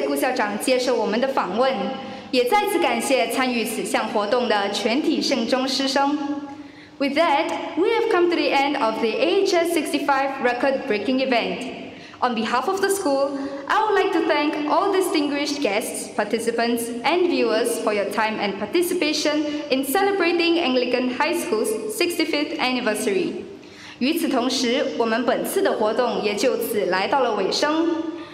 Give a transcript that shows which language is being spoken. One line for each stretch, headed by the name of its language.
Chinese: 我觉得很有意义的是，因为我们有机会一起做，其实每一个口罩都是学生们、家长、老师们、同工们一起合力做的，都少一份都不行。所以这是一个机会，大家让我们一起完成的。我觉得这是一个成就感，也是一个让鼓励我们继续的长次上腾。好的，谢谢顾校长接受我们的访问。
English: With that, we have come to the end of the AHS65 record-breaking event. On behalf of the school, I would like to thank all distinguished guests, participants, and viewers for your time and participation in celebrating Anglican High School's 65th anniversary.
Chinese: 与此同时，我们本次的活动也就此来到了尾声。